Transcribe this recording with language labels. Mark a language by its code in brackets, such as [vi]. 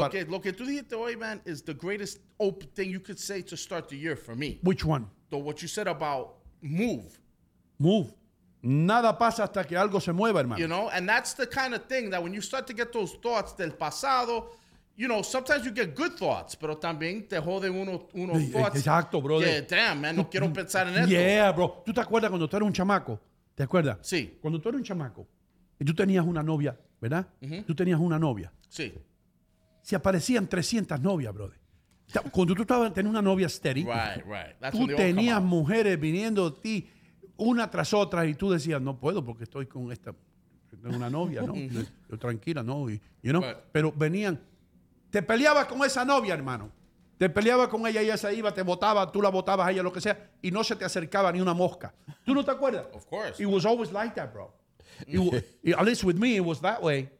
[es] Lo que tú dijiste hoy, [en] man, is the greatest open thing you could say to start the year for me. Which one? So what you said about move. Move. [es] Nada pasa hasta que algo se mueva, hermano. [en] You know, and that's the kind of thing that when you start to get those thoughts [es] del pasado, [en] you know, sometimes you get good thoughts, [es] pero también te joden unos [en] thoughts. [es] Exacto, bro. [en] Yeah, damn, man, [es] no quiero pensar en [en] yeah, [es] esto. [en] Yeah, bro. [es] ¿Tú te acuerdas cuando tú eras un chamaco? ¿Te acuerdas? Sí. Cuando tú eras un chamaco y tú tenías una novia, ¿verdad? Mm-hmm. Tú tenías una novia. Sí. Si aparecían 300 novias, bro. Cuando tú estabas teniendo una novia steady, [en] right. [es] That's tú tenías mujeres viniendo a ti una tras otra y tú decías, no puedo porque estoy con esta, tengo una novia, ¿no? Yo tranquila, ¿no? Y, [en] you know? [es] Pero venían, te peleabas con esa novia, hermano. Te peleabas con ella y ella se iba, te botaba, tú la botabas a ella, lo que sea, y no se te acercaba ni una mosca. ¿Tú no te acuerdas? [en] Of course. It was always like that, bro. At least with me, it was that way.